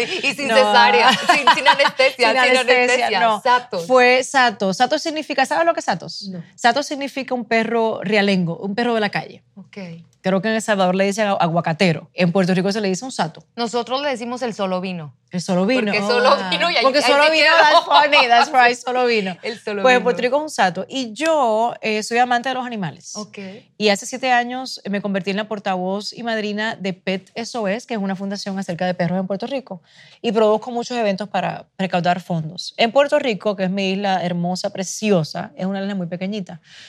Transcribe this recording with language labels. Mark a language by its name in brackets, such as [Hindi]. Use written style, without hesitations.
[Spanish] Y sin cesárea, sin anestesia. Sin anestesia, no. Satos. Fue Satos. Satos significa, ¿sabes lo que es Satos? No. Satos significa un perro realengo, un perro de la calle. Ok. Creo que en El Salvador le dicen aguacatero. En Puerto Rico se le dice un sato. Nosotros le decimos el solo vino. El solo vino. Porque solo vino y ahí porque solo vino, [English] that's funny, that's right, [Spanish] solo vino. El solo pues vino. En Puerto Rico es un sato. Y yo soy amante de los animales. Ok. Y hace 7 años me convertí en la portavoz y madrina de Pet SOS, que es una fundación acerca de perros en Puerto Rico. Y produzco muchos eventos para recaudar fondos. En Puerto Rico, que es mi isla hermosa, preciosa, es una isla muy pequeñita.